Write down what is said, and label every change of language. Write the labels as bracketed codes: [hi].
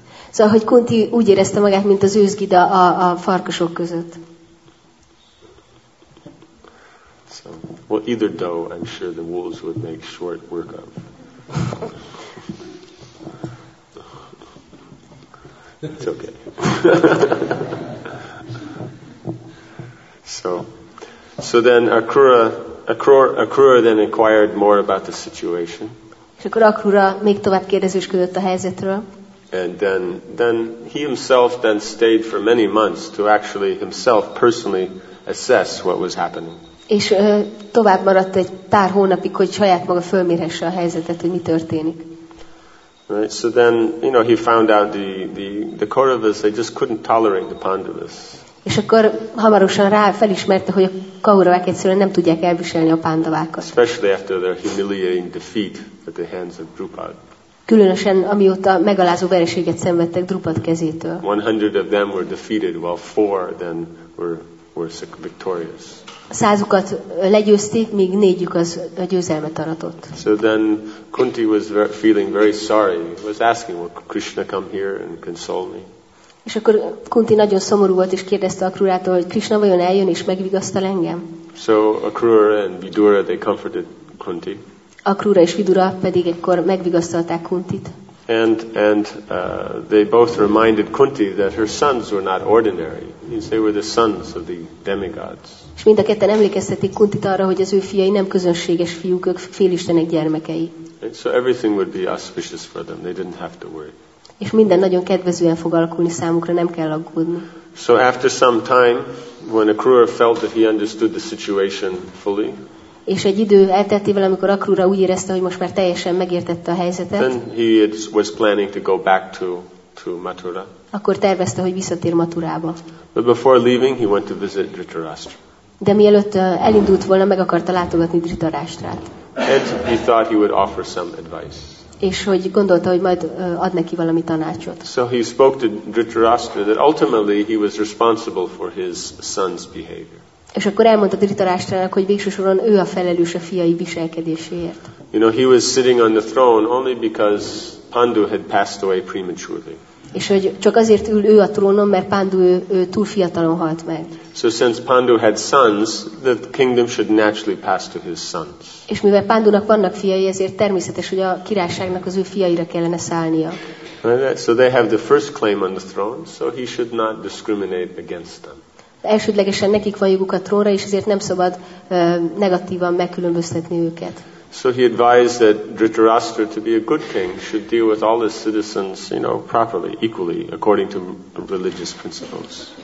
[hu] Szóval, hogy Kunti úgy érezte magát, mint az őzgida a farkasok között. [en] So, well, either doe, I'm sure the wolves would make short work of. It's okay. So then Akrura then inquired more about the situation. [hu] És akkor Akrura még tovább kérdezősködött a helyzetről. [en] And then he himself then stayed for many months to actually himself personally assess what was happening. [hu] És tovább maradt egy pár hónapig, hogy saját maga fölmérhesse a helyzetet, hogy mi történik. [en] Right, so then, you know, he found out the Kauravas, they just couldn't tolerate the Pandavas. [hu] És akkor hamarosan rá felismerte, hogy a Kauravák egyszerűen nem tudják elviselni a Pandavákat. [en] Especially after their humiliating defeat at the hands of Drupad. [hu] Különösen amióta megalázó vereséget szenvedtek Drupad kezétől. [en] 100 of them were defeated, while 4 then were victorious. [hu] Százukat legyőzték, míg négyük az győzelmet aratott. [en] So then Kunti was feeling very sorry. He was asking, will Krishna come here and console me? [hu] És akkor Kunti nagyon szomorú volt, és kérdezte Akrurától, hogy Krishna vajon eljön és megvigasztal engem? [en] So Akrura and Vidura, they comforted Kunti. [hu] Akrura és Vidura pedig ekkor megvigasztalták Kuntit. [en] And they both reminded Kunti that her sons were not ordinary. Means they were the sons of the demigods. [hu] És mind a ketten emlékeztetik Kuntit arra, hogy az ő fiai nem közönséges fiúk, ők félistenek gyermekei. [en] And so everything would be auspicious for them. They didn't have to worry. [hu] És minden nagyon kedvezően fog alakulni számukra, nem kell aggódni. [en] So after some time, when Akrura felt that he understood the situation fully, [hu] és egy idő elteltével, amikor Akrura úgy érezte, hogy most már teljesen megértette a helyzetet, [en] then he was planning to go back to Mathura. [hu] Akkor tervezte, hogy visszatér Mathurába. [en] But before leaving, he went to visit Dhritarashtra. [hu] De mielőtt elindult volna, meg akarta látogatni Dhritarashtrát. [en] And he thought he would offer some advice. [hu] És hogy gondolta, hogy majd ad neki valami tanácsot. [en] So he spoke to Dhritarashtra that ultimately he was responsible for his son's behavior. [hu] És akkor elmondta Dhritarashtrának, hogy végső soron ő a felelős a fiai viselkedéséért. [en] You know, he was sitting on the throne only because Pandu had passed away prematurely. [hu] És hogy csak azért ül ő a trónon, mert Pandu ő túl fiatalon halt meg. [en] So since Pandu had sons, the kingdom should naturally pass to his sons. [hu] És mivel Pandunak vannak fiai, ezért természetes, hogy a királyságnak az ő fiaira kellene szállnia. [en] So they have the first claim on the throne, so he should not discriminate against them. [hu] Elsődlegesen nekik van joguk a trónra, és ezért nem szabad negatívan megkülönböztetni őket. [en] So he advised that Dhritarashtra to be a good king should deal with all his citizens, you know, properly, equally, according to religious principles.